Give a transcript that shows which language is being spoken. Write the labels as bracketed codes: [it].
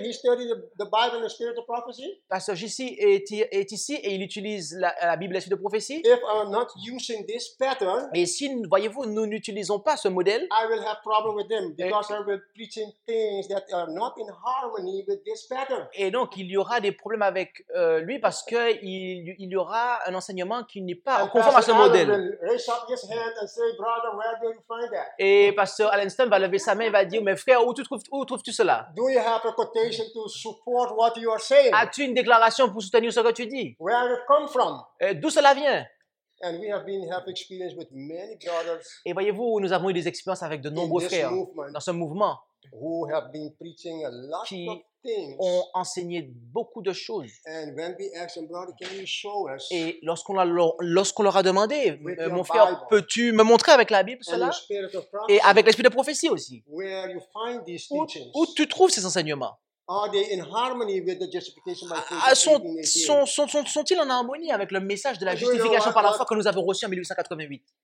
[en] He studied the Bible and the spirit of prophecy. [fr] Pastor GC est ici et il utilise la Bible et l'esprit de prophétie. [en] If I'm not using this pattern, [fr] et si, voyez-vous, nous n'utilisons pas ce modèle, [en] I will have problem with them because I will be preaching things that are not in harmony with this pattern. [fr] Et donc il y aura des problèmes avec lui parce que il y aura un enseignement qui n'est pas conforme à ce modèle. [en] Raise up his hand and say, brother, where do you find that? [fr] Et Pasteur Alan Stone va lever sa main et va dire, mais frère, où trouves-tu cela? [en] Do you have a quotation to support what you are saying? [fr] As-tu une déclaration pour soutenir ce que tu dis? [en] Where did it come from? [fr] D'où cela vient? [en] And we have experience with many brothers. [fr] Et voyez-vous, nous avons eu des expériences avec de nombreux frères dans ce mouvement [en] who have been preaching a lot [fr] qui [en] of things. [fr] Ont enseigné beaucoup de choses. [en] And when we ask them, brother, can you show us? [fr] Et lorsqu'on leur a demandé, mon frère, [en] Bible, [fr] peux-tu me montrer avec la Bible cela? [en] Prophecy, [fr] et avec l'esprit de prophétie aussi. [en] Where you find these teachings? [fr] Où tu trouves ces enseignements? [en] Are they in harmony with the justification by faith? [fr] Sont-ils en harmonie avec le message de la justification par la foi que nous avons reçu en 1888?